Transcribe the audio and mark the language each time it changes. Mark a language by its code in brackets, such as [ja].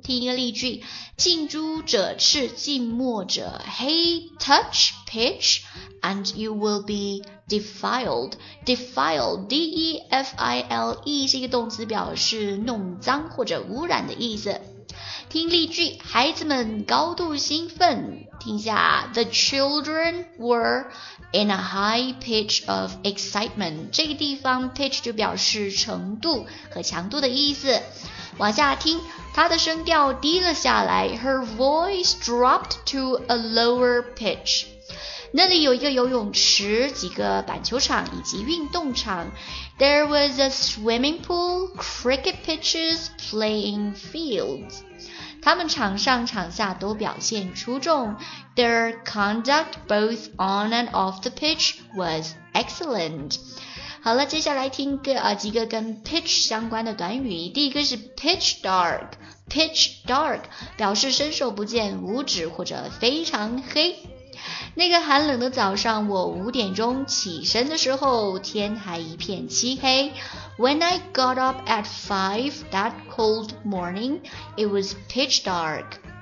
[zh] 听一个例句，近朱者赤，近墨者黑， [en] touch pitch and you will be defiled, defiled, D-E-F-I-L-E [zh] 是一个动词表示弄脏或者污染的意思。听例句，孩子们高度兴奋。听一下， [en] The children were in a high pitch of excitement. [zh] 这个地方 pitch 就表示程度和强度的意思。往下听，她的声调低了下来， [en] Her voice dropped to a lower pitch. [zh] 那里有一个游泳池，几个板球场以及运动场。 [en] There was a swimming pool, cricket pitches, playing fields. [zh] 他们场上场下都表现出众。 [en] Their conduct both on and off the pitch was excellent. [zh] 好了，接下来听个几个跟 pitch 相关的短语。第一个是 pitch dark, pitch dark 表示伸手不见五指或者非常黑。那个寒冷的早上，我五点钟起身的时候，天还一片漆黑。 [en] When I got up at five that cold morning, it was pitch dark.